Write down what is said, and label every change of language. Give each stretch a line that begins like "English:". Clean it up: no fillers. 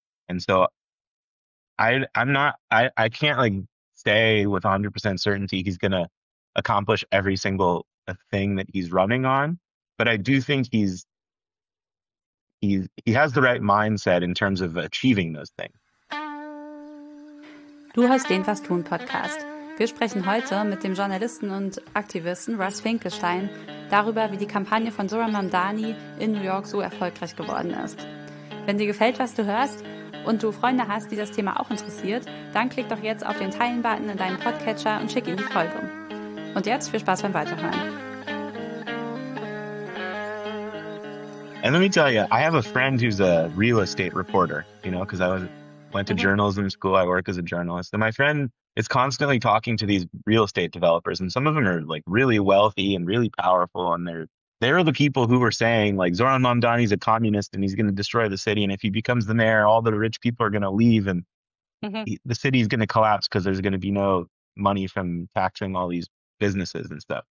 English: And so I can't like say with 100% certainty he's going to accomplish every single thing that he's running on. But I do think he has the right mindset in terms of achieving those things.
German: Du hörst den Was tun Podcast. Wir sprechen heute mit dem Journalisten und Aktivisten Russ Finkelstein darüber, wie die Kampagne von Zoran Mamdani in New York so erfolgreich geworden ist. Wenn dir gefällt, was du hörst und du Freunde hast, die das Thema auch interessiert, dann klick doch jetzt auf den Teilen-Button in deinem Podcatcher und schick ihm die Folge. Und jetzt viel Spaß beim Weiterhören.
English: And let me tell you, I have a friend who's a real estate reporter, you know, because I went to journalism school. I work as a journalist. And my friend is constantly talking to these real estate developers. And some of them are like really wealthy and really powerful. And they're the people who are saying like Zoran Mamdani's a communist and he's going to destroy the city. And if he becomes the mayor, all the rich people are going to leave and the city is going to collapse because there's going to be no money from taxing all these businesses and stuff.